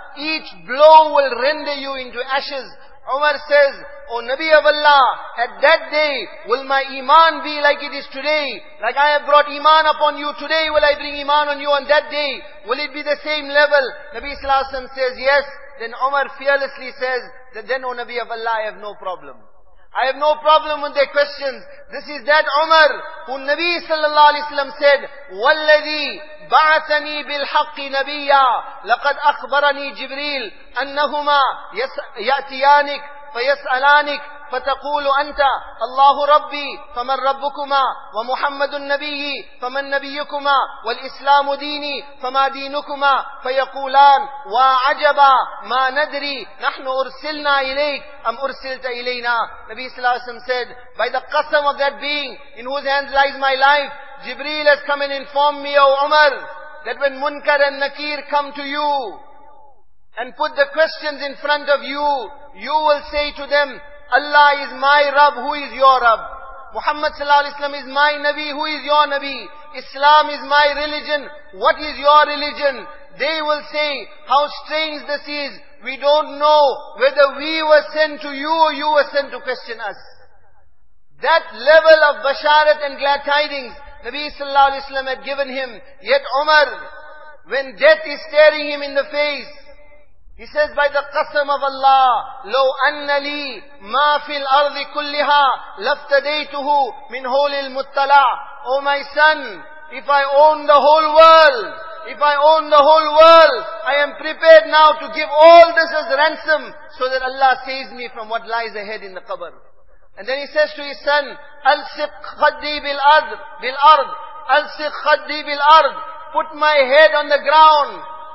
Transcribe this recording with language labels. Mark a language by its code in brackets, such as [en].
[en] Each blow will render you into ashes. Umar says, O Nabi of Allah, at that day, will my iman be like it is today? Like I have brought iman upon you today, will I bring iman on you on that day? Will it be the same level? Nabi sallallahu alayhi wa sallam says, yes. Then Umar fearlessly says, that then, O Nabi of Allah, I have no problem. I have no problem with their questions. This is that Umar, who Nabi sallallahu alayhi wa sallam said, [ar] وَالَّذِي بَعَثَنِي بِالْحَقِّ نَبِيًّا لَقَدْ أَخْبَرَنِي جِبْرِيلِ أَنَّهُمَا يَأْتِيَانِكَ فَيَسْأَلَانِكَ فَتَقُولُ أَنْتَ اللَّهُ رَبِّي فَمَنْ رَبُّكُمَا وَمُحَمَّدُ النَّبِيِّ فَمَنْ نَبِيُّكُمَا وَالْإِسْلَامُ دِينِي فَمَا دِينُكُمَا فَيَقُولَانَ وَعَجَبَا مَا نَدْرِي نَحْنُ أُرْسِلْنَا إِلَيْكَ أَمْ أُرْسِلْتَ إِلَيْنَا. [en] Nabi sallallahu alayhi wa sallam said, by the qasam of that being in whose hands lies my life, Jibreel has come and informed me, O Umar, that when Munkar and Nakir come to you and put the questions in front of you, you will say to them, Allah is my Rabb, who is your Rabb? Muhammad sallallahu alayhi wa sallam is my Nabi, who is your Nabi? Islam is my religion, what is your religion? They will say, how strange this is. We don't know whether we were sent to you or you were sent to question us. That level of basharat and glad tidings, Nabi sallallahu alayhi wa sallam had given him. Yet Umar, when death is staring him in the face, He says, by the qasam of Allah, [ar] لو أن لي ما في الأرض كلها لفتديته من هول المطلع. [en] Oh my son, if I own the whole world, if I own the whole world, I am prepared now to give all this as ransom so that Allah saves me from what lies ahead in the qabr. And then he says to his son, [ar] Alsiq khaddi bil ard, [en] Alsiq khaddi bil ard, put my head on the ground.